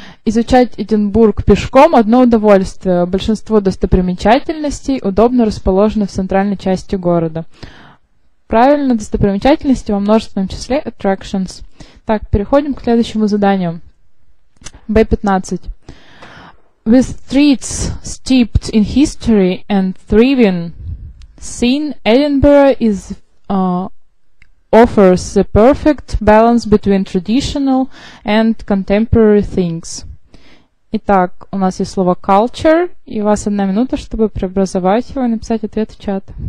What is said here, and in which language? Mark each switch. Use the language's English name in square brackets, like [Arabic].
[Russian] Изучать Эдинбург пешком – одно удовольствие. Большинство достопримечательностей удобно расположены в центральной части города. Правильно, достопримечательности во множественном числе – attractions. Так, переходим к следующему заданию. B15. [English] With streets steeped in history and thriving scene, Edinburgh is offers a perfect balance between traditional and contemporary things. [Russian] Итак, у нас есть слово culture, и у вас одна минута, чтобы преобразовать его и написать ответ в чат.